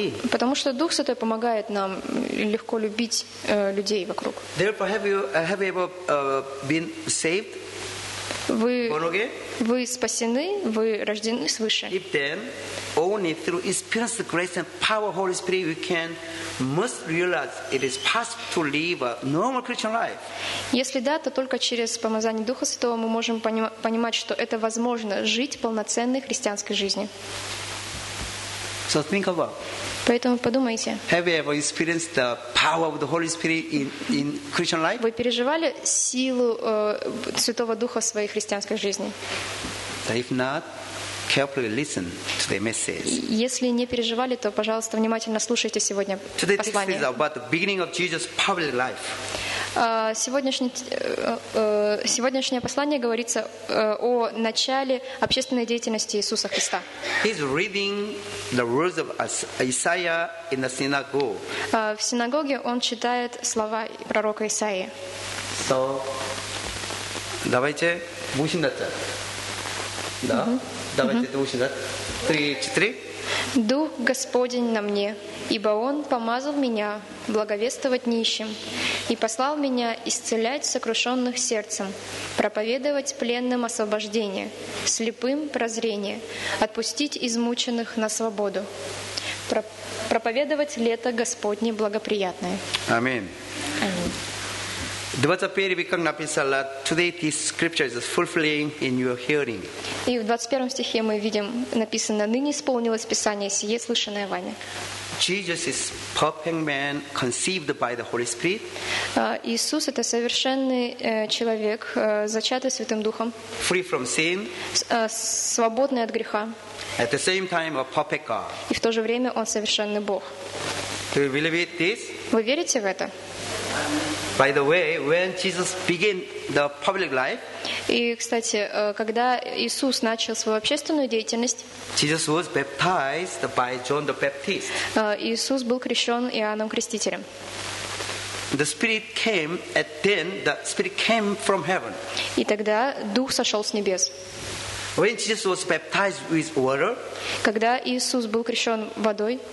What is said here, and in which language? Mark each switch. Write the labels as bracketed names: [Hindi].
[Russian] Потому что Дух Святой помогает нам легко любить людей вокруг. [English] Therefore, have you ever been saved? [Russian] Вы спасены, вы рождены свыше. [English] If then, only through experience the grace and power of Holy Spirit, we can must realize it is possible to live a normal Christian life. [Russian] Если да, то только через помазание Духа Святого мы можем понимать, что это возможно жить полноценной христианской жизнью. [English] So think about. [Russian] Поэтому подумайте. [English] Have you ever experienced the power of the Holy Spirit in Christian life? [Russian] Вы переживали силу Святого Духа в своей христианской жизни? [English] If not, carefully listen to the message. [Russian] Если не переживали, то, пожалуйста, внимательно слушайте сегодня послание. [English] Today's text is about the beginning of Jesus' public life. [Russian] Сегодняшнее послание говорится о начале общественной деятельности Иисуса Христа. [English] He's reading the words of Isaiah in the synagogue. [Russian] В синагоге он читает слова пророка Исаии. So, давайте будем это. Да? Давайте будем это. Три, четыре. Дух Господень на мне, ибо Он помазал меня благовествовать нищим и послал меня исцелять сокрушенных сердцем, проповедовать пленным освобождение, слепым прозрение, отпустить измученных на свободу, проповедовать лето Господне благоприятное. Аминь. 21 стих написано: [English] Today this scripture is fulfilling in your hearing. [Russian] И в 21 стихе мы видим, написано: «Ныне исполнилось Писание сие, слышанное вами». [English] Jesus is perfect man conceived by the Holy Spirit. [Russian] Иисус — это совершенный человек, зачатый Святым Духом. [English] Free from sin. [Russian] Свободный от греха. [English] At the same time, a perfect God. [Russian] И в то же время Он совершенный Бог. [English] Do you believe this? [Russian] Вы верите в это? [English] By the way, when Jesus began the public life, [Russian] и, кстати, когда Иисус начал свою общественную деятельность, [English] Jesus was baptized by John the Baptist. [Russian] Иисус был крещен Иоанном Крестителем. [English] The Spirit came, and then the Spirit came from heaven. [Russian] И тогда Дух сошел с небес. [English] When Jesus was baptized with water, [Russian] когда Иисус был крещен водой,